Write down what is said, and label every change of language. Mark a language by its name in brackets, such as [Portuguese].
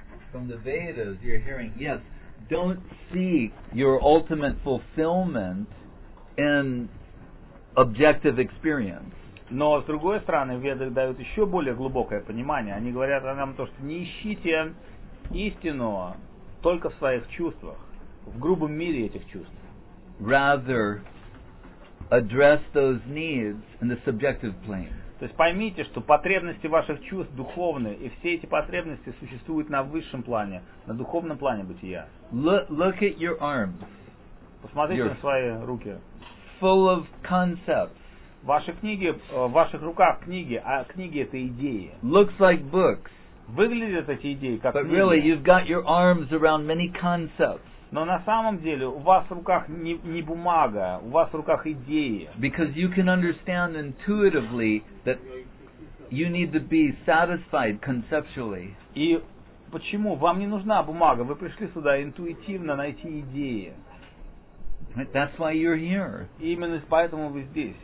[English] from the Vedas, you're hearing, yes, don't seek your ultimate fulfillment in objective experience. [Russian] Но, с другой стороны, Веды дают еще более глубокое понимание. Они говорят о том, что не ищите истину только в своих чувствах, в грубом мире этих чувств. [English] Rather, address those needs in the subjective plane. [Russian] То есть поймите, что потребности ваших чувств духовны, и все эти потребности существуют на высшем плане, на духовном плане бытия. [English] Look at your arms. [Russian] Посмотрите на свои руки. [English] Full of concepts. [Russian] Ваши книги, в ваших руках книги, а книги — это идеи. [English] Looks like books. [Russian] Выглядят эти идеи как [English] But [Russian] книги. [English] But really, you've got your arms around many concepts. [Russian] Но на самом деле у вас в руках не бумага, у вас в руках идеи. [English] Because you can understand intuitively that you need to be satisfied conceptually. [Russian] И почему? Вам не нужна бумага, вы пришли сюда интуитивно найти идеи. [English] That's why you're here. [Russian] И именно поэтому вы здесь.